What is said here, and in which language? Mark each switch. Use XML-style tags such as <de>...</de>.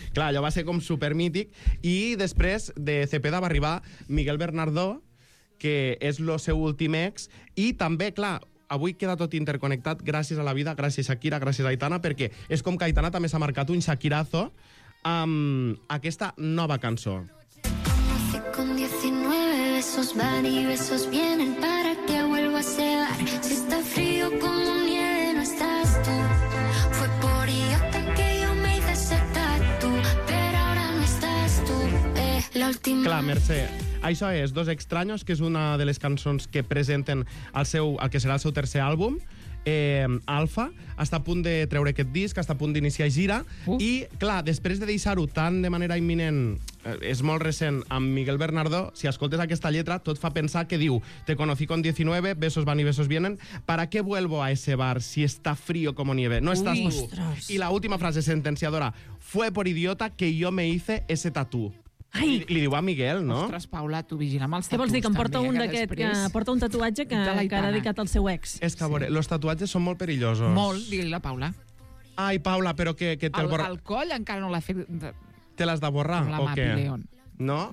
<ca>Clar, allò va ser com supermític. I després de Cepeda va arribar Miguel Bernardo, que és el seu últim ex, i també, clar... Avui queda tot interconnectat gràcies a la vida, gràcies a Shakira, gràcies a Aitana, perquè és com que Aitana també s'ha marcat un Shakirazo amb aquesta nova cançó.</ca> <es>Como si con 19 besos van y besos vienen para que vuelva a cebar. Si está frío como nieve, no estás tú. Fue por idiota que yo me hice ese tatu, pero ahora no estás tú.</es> <ca>La última... Clar, Mercè. Això és Dos Extraños, que és una de les cançons que presenten el que serà el seu tercer àlbum, Alfa. Està a punt de treure aquest disc, està a punt d'iniciar gira. I, clar, després de deixar-ho tan de manera imminent, és molt recent, amb Miguel Bernardo, si escoltes aquesta lletra, tot fa pensar que diu</ca> <es>"Te conocí con 19, besos van y besos vienen, ¿para qué vuelvo a ese bar si está frío como nieve? No estás tú".</es> <ca>I la última frase sentenciadora,</ca> <es>"Fue por idiota que yo me hice ese tatú".</es> <ca>Li diu a Miguel, no? Ostres, Paula, tu vigila amb els tatuatges. Què vols dir, que em porta un d'aquest, que porta un tatuatge que ha dedicat al seu ex? És que, a veure, els tatuatges són molt perillosos. Molt, digui-li a Paula. Ai, Paula, però que te'l borra... El coll encara no l'ha fet... Te l'has de borrar, o què? No?</ca>